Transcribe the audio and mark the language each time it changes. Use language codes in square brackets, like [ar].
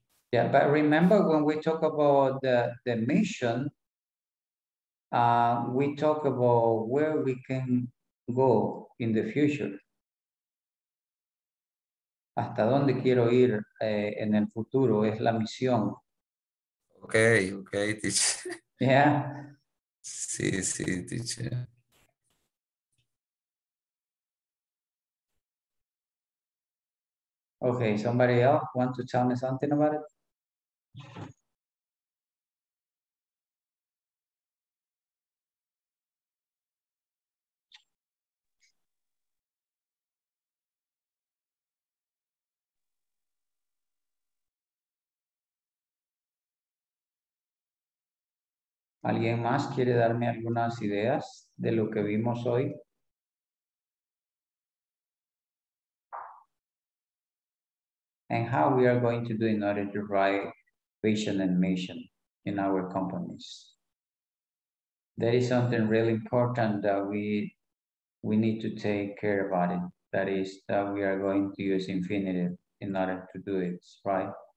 [en] Yeah, but remember when we talk about the mission, we talk about where we can go in the future. [es] Hasta dónde quiero ir en el futuro es la misión. [en] Okay, okay, teacher. Yeah. [es] Sí, sí, teacher. [en] Okay, somebody else want to tell me something about it? [es] ¿Alguien más quiere darme algunas ideas de lo que vimos hoy? [en] And how we are going to do in order to write vision and mission in our companies. There is something really important that we need to take care about it. That is that we are going to use infinitive in order to do it, right?